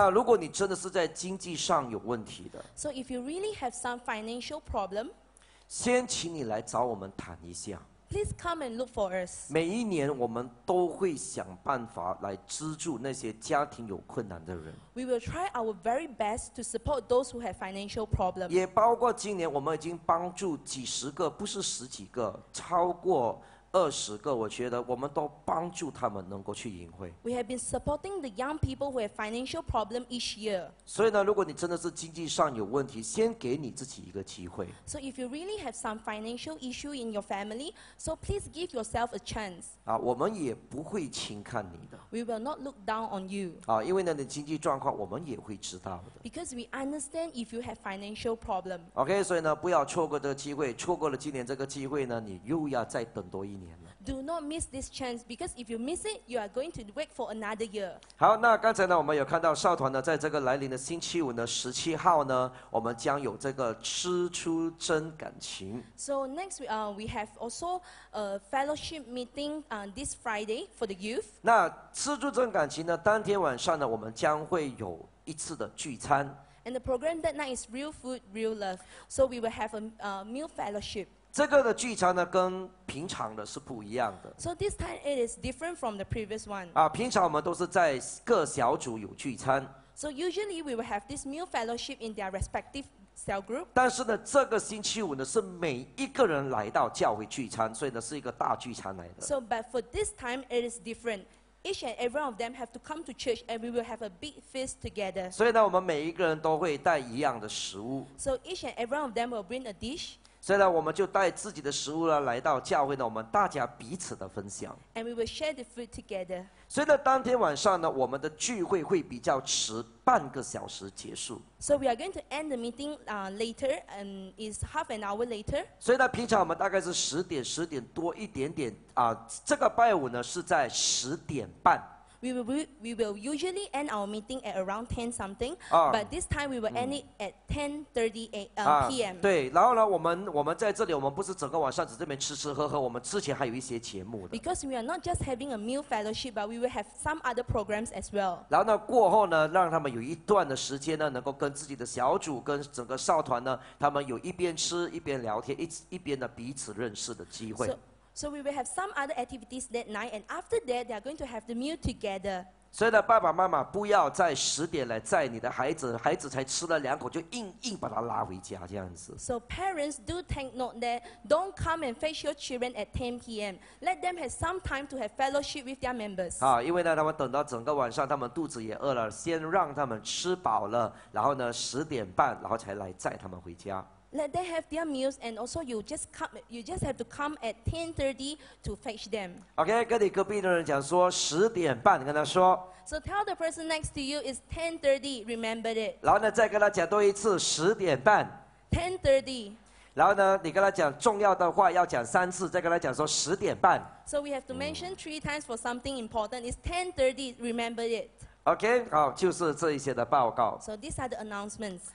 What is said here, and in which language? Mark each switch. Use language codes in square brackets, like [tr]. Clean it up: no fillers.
[zh] 那如果你真的是在经济上有问题的， [en] So if you really have some financial problem, [zh] 先请你来找我们谈一下。 [en] Please come and look for us. [zh] 每一年我们都会想办法来资助那些家庭有困难的人。 [en] We will try our very best to support those who have financial problems. [zh] 也包括今年我们已经帮助几十个，不是十几个，超过20个，我觉得我们都帮助他们能够去营会。 [en] We have been supporting the young people who have financial problems each year. [zh] 所以呢，如果你真的是经济上有问题，先给你自己一个机会。 [en] So if you really have some financial issue in your family, so please give yourself a chance. [zh] 啊，我们也不会轻看你的。 [en] We will not look down on you. [zh] 啊，因为呢，你经济状况我们也会知道的。 [en] Because we understand if you have financial problem. [zh] OK, 所以呢，不要错过这个机会。错过了今年这个机会呢，你又要再等多一年。 [en] Do not miss this chance because if you miss it, you are going to wait for another year. [zh] 好，那刚才呢，我们有看到少团呢，在这个来临的星期五呢，17号呢，我们将有这个吃出真感情。 [en] So next, we have also a fellowship meeting this Friday for the youth. 那吃出真感情呢，当天晚上呢，我们将会有一次的聚餐。 And the program that night is real food, real love. So we will have a meal fellowship. [zh] 这个的聚餐呢，跟平常的是不一样的。 [en] So this time it is different from the previous one. [zh] 啊，平常我们都是在各小组有聚餐。 [en] So usually we will have this meal fellowship in their respective cell group. [zh] 但是呢，这个星期五呢，是每一个人来到教会聚餐，所以呢，是一个大聚餐来的。 [en] So but for this time it is different. Each and every one of them have to come to church, and we will have a big feast together. [zh] 所以呢，我们每一个人都会带一样的食物。 [en] So each and every one of them will bring a dish. [zh] 所以呢，我们就带自己的食物呢，来到教会呢，我们大家彼此的分享。 [en] And we will share the food together. [zh] 所以呢，当天晚上呢，我们的聚会会比较迟，半个小时结束。 [en] So we are going to end the meeting later, and is half an hour later. [zh] 所以呢，平常我们大概是10点、10点多一点点啊。这个拜五呢是在10:30。 [en] we will usually end our meeting at around 10 something, but this time we will end it at 10:30 p.m. [zh] 对，然后呢，我们在这里，我们不是整个晚上只这边吃吃喝喝，我们之前还有一些节目的。 [en] Because we are not just having a meal fellowship, but we will have some other programs as well. [zh] 然后呢，过后呢，让他们有一段的时间呢，能够跟自己的小组、跟整个少团呢，他们有一边吃一边聊天，一边的彼此认识的机会。 [en] So we will have some other activities that night, and after that, they are going to have the meal together. [zh] 所以呢，爸爸妈妈不要在十点来载你的孩子，孩子才吃了两口就硬把他拉回家这样子。 [en] So parents do take note that don't come and fetch your children at 10 p.m. Let them have some time to have fellowship with their members. [zh] 啊，因为呢，他们等到整个晚上，他们肚子也饿了，先让他们吃饱了，然后呢，十点半，然后才来载他们回家。 [en] Let them have their meals, and also you just have to come at 10:30 to fetch them. [zh] Okay, 跟你隔壁的人讲说十点半，跟他说。 [en] So tell the person next to you it's 10:30. Remember it. [zh] 然后呢，再跟他讲多一次十点半。 [en] 10:30. [zh] 然后呢，你跟他讲重要的话要讲三次，再跟他讲说十点半。 [en] So we have to mention three times for something important. It's 10:30. Remember it. [zh] OK， 好，就是这一些的报告。 [en] So these are the announcements.